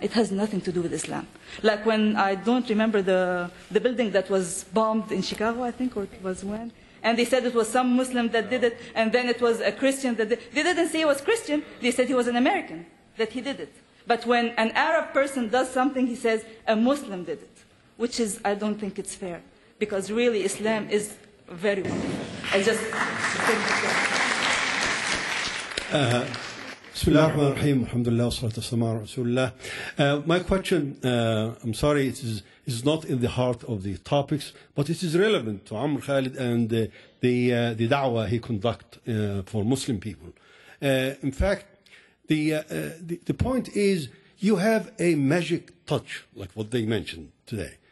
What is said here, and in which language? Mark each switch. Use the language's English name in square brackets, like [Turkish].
[English] It has nothing to do with Islam. Like when, I don't remember the building that was bombed in Chicago, I think, or it was when, and they said it was some Muslim that did it, and then it was a Christian that did it. They didn't say he was Christian. They said he was an American, that he did it. But when an Arab person does something, he says, a Muslim did it, which is, I don't think it's fair, because really Islam is very wonderful. I just think it's fair. [Arabic] بسم الله الرحمن الرحيم الحمد لله والصلاة والسلام على رسول الله. [English] My question, I'm sorry, it is not in the heart of the topics, but it is relevant to Amr Khalid and the da'wah he conduct for Muslim people. In fact, the point is, you have a magic touch, like what they mentioned today.